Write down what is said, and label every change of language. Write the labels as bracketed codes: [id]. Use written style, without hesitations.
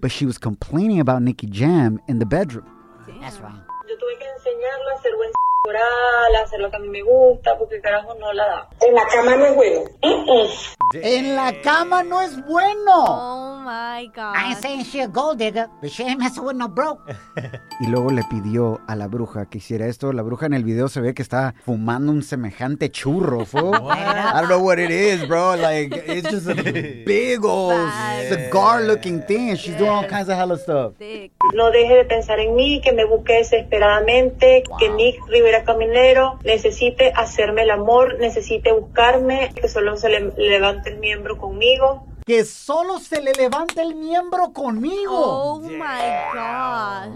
[en] but she was complaining about Nicki Jam in the bedroom. Damn. That's right. [es] Yo tuve que enseñarla a hacer buen oral, hacer lo que a mí me gusta, porque carajo no la da. En la cama no es bueno. Damn. En la cama no es bueno. [en] Oh, my God. I ain't saying she a gold digger, but she ain't messing with no broke. [es] Y luego le pidió a la bruja que hiciera esto. La bruja en el video se ve que está fumando un semejante churro, fool. [en] What? I don't know what it is, bro. Like, it's just a big old cigar-looking thing. She's doing all kinds of hella stuff. [es] No deje de pensar en mí, que me busque desesperadamente, [en] wow. [es] Que Nick Rivera Caminero necesite hacerme el amor, necesite buscarme, que solo se le levante el miembro conmigo. Que solo se le levante el miembro conmigo. [en] Oh, my God.